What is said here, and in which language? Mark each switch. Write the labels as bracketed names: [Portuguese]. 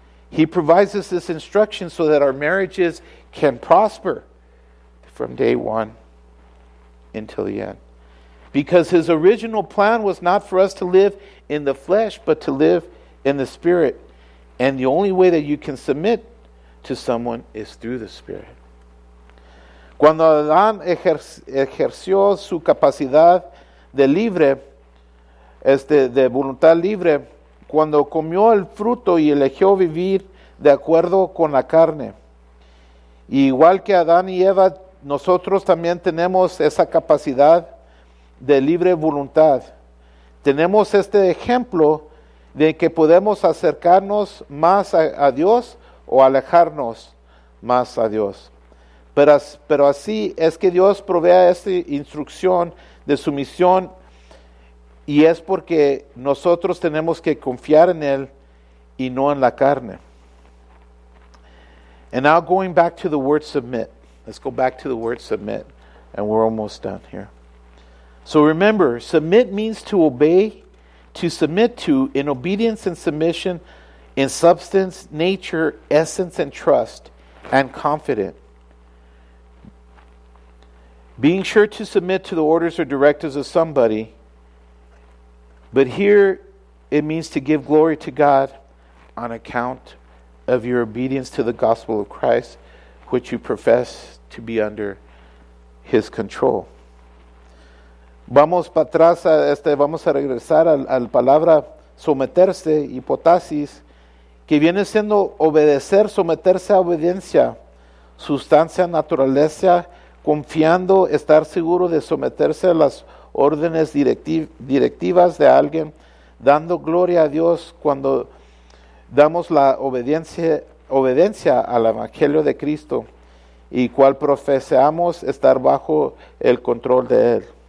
[English] He provides us this instruction so that our marriages can prosper from day one until the end. Because his original plan was not for us to live in the flesh, but to live in the spirit. And the only way that you can submit to someone is through the spirit. [Spanish] Cuando Adán ejerció su capacidad de libre, de voluntad libre, cuando comió el fruto y eligió vivir de acuerdo con la carne, y igual que Adán y Eva, nosotros también tenemos esa capacidad de libre voluntad. Tenemos este ejemplo de que podemos acercarnos más a Dios o alejarnos más a Dios. Pero así es que Dios provee esta instrucción de sumisión y es porque nosotros tenemos que confiar en Él y no en la carne. [English] And now going back to the word submit. Let's go back to the word submit and we're almost done here. So remember, submit means to obey, to submit to, in obedience and submission, in substance, nature, essence, and trust, and confidence. Being sure to submit to the orders or directives of somebody. But here, it means to give glory to God on account of your obedience to the gospel of Christ, which you profess to be under his control. [Spanish] Vamos para atrás, vamos a regresar a la palabra someterse, hipotasis, que viene siendo obedecer, someterse a obediencia, sustancia, naturaleza, confiando, estar seguro de someterse a las órdenes directivas de alguien, dando gloria a Dios cuando damos la obediencia al Evangelio de Cristo y cual profesamos estar bajo el control de Él.